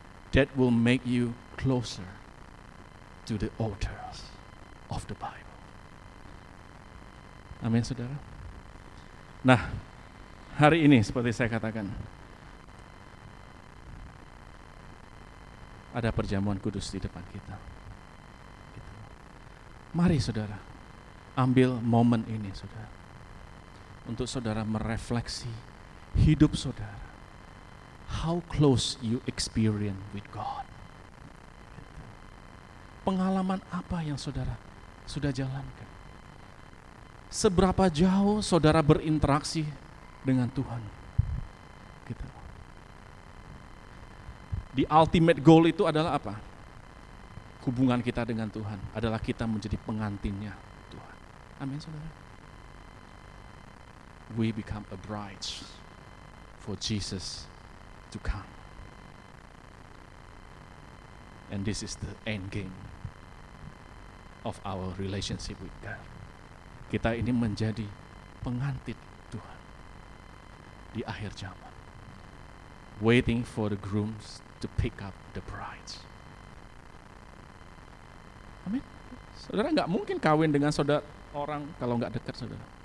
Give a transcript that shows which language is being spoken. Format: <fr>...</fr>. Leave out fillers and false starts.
<en>That will make you closer to the authors of the Bible.</en> <id>Amin, saudara. Nah, hari ini seperti saya katakan, ada perjamuan kudus di depan kita. Mari, saudara, ambil momen ini, saudara, untuk saudara merefleksi hidup saudara.</id> <en>How close you experience with God.</en> <id>Pengalaman apa yang saudara sudah jalankan? Seberapa jauh saudara berinteraksi dengan Tuhan? Gitu.</id> <en>The ultimate goal</en> <id>itu adalah apa? Hubungan kita dengan Tuhan adalah kita menjadi pengantinnya Tuhan. Amin, saudara.</id> <en>We become a bride for Jesus to come. And this is the end game of our relationship with God.</en> <id>Kita ini menjadi pengantin Tuhan di akhir zaman.</id> <en>Waiting for the grooms to pick up the brides. Amin.</en> <id>Saudara enggak mungkin kawin dengan saudara orang kalau enggak dekat, saudara.</id>